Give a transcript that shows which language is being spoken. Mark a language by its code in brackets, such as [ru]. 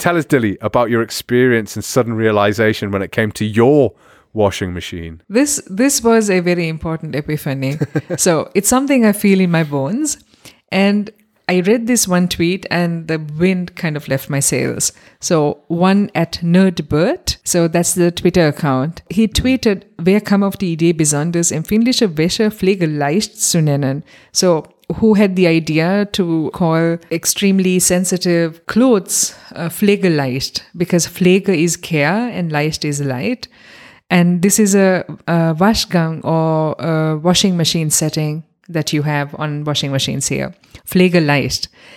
[en] Tell us, Dilly, about your experience and sudden realization when it came to your washing machine. This was a very important epiphany. So it's something I feel in my bones. And I read this one tweet, and the wind kind of left my sails. So one at Nerdbert, so that's the Twitter account. He tweeted, [de] "Wer kam auf die Idee besonders empfindliche Wäsche Pflege leicht zu nennen?" [en] So who had the idea to call extremely sensitive clothes Pflege leicht? Because Pflege is care and leicht is light. And this is a Waschgang or a washing machine setting that you have on washing machines here. Pflegeleicht.